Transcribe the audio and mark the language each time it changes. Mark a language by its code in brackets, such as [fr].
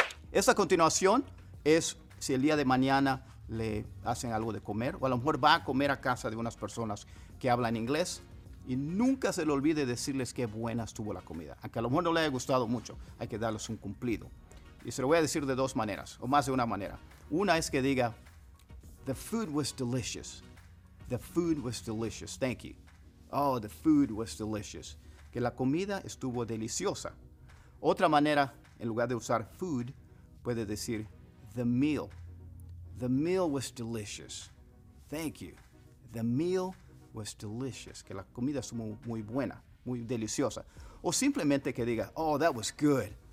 [es] Esta continuación es si el día de mañana le hacen algo de comer o a lo mejor va a comer a casa de unas personas que hablan inglés y nunca se le olvide decirles qué buena estuvo la comida. Aunque a lo mejor no le haya gustado mucho, hay que darles un cumplido. Y se lo voy a decir de dos maneras, o más de una manera. Una es que diga, [en] the food was delicious. The food was delicious. Thank you. Oh, the food was delicious. [es] Que la comida estuvo deliciosa. Otra manera, en lugar de usar food, puede decir [en] the meal. The meal was delicious. Thank you. The meal was delicious. [es] Que la comida estuvo muy buena, muy deliciosa. O simplemente que diga, [en] oh, that was good.